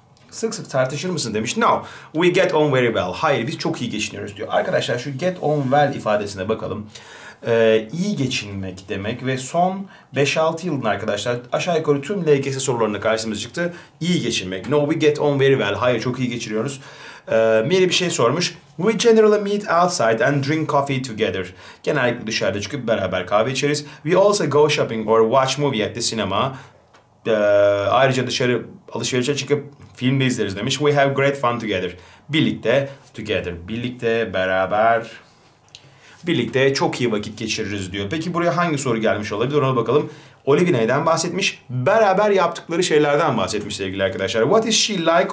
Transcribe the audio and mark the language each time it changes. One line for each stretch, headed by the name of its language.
Turkish: Sık sık tartışır mısın demiş.
English: No, we get on very well.
Turkish: Hayır, biz çok iyi geçiniyoruz diyor. Arkadaşlar şu get on well ifadesine bakalım. İyi geçinmek demek ve son 5-6 yılın arkadaşlar aşağı yukarı tüm LGS sorularında karşımıza çıktı. İyi geçinmek.
English: No, we get on very well.
Turkish: Hayır, çok iyi geçiriyoruz. Mary bir şey sormuş.
English: We generally meet outside and drink coffee together.
Turkish: Genellikle dışarıda çıkıp beraber kahve içeriz.
English: We also go shopping or watch movie at the cinema.
Turkish: Ayrıca dışarı alışverişe çıkıp film de izleriz demiş.
English: We have great fun together. Birlikte, together.
Turkish: Birlikte, beraber. Birlikte çok iyi vakit geçiririz diyor. Peki buraya hangi soru gelmiş olabilir ona bakalım. Olivia neyden bahsetmiş? Beraber yaptıkları şeylerden bahsetmiş sevgili arkadaşlar.
English: What is she like?